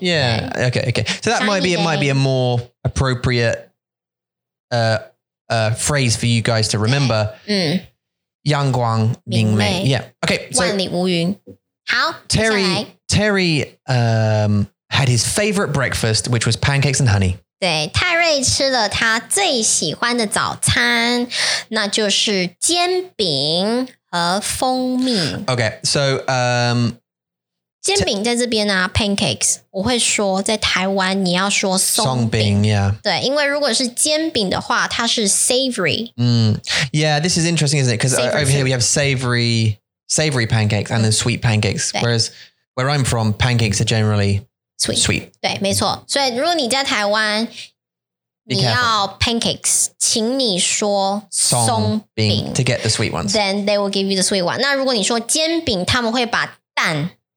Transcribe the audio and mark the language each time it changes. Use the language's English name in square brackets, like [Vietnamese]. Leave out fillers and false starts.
[English] Yeah okay So that might be a more appropriate phrase for you guys to remember [Chinese] 阳光明媚 [English] Yeah. Okay. [Chinese] So, 万里无云。好。 [English] Terry, had his favorite breakfast, which was pancakes and honey. [Chinese] 对，泰瑞吃了他最喜欢的早餐，那就是煎饼和蜂蜜。 [English] Okay. So, [Chinese] 煎饼在这边啊 ，pancakes， 我会说在台湾你要说松饼，yeah，对，因为如果是煎饼的话，它是 savory。 [English] Yeah， this is interesting, isn't it? Because over here we have savory pancakes and then sweet pancakes. Whereas where I'm from, pancakes are generally sweet. [Chinese] 对，没错。所以如果你在台湾，你要 [English] pancakes， [Chinese] 请你说松饼 [English] to get the sweet ones. Then they will give you the sweet one. [Chinese] 那如果你说煎饼，他们会把蛋。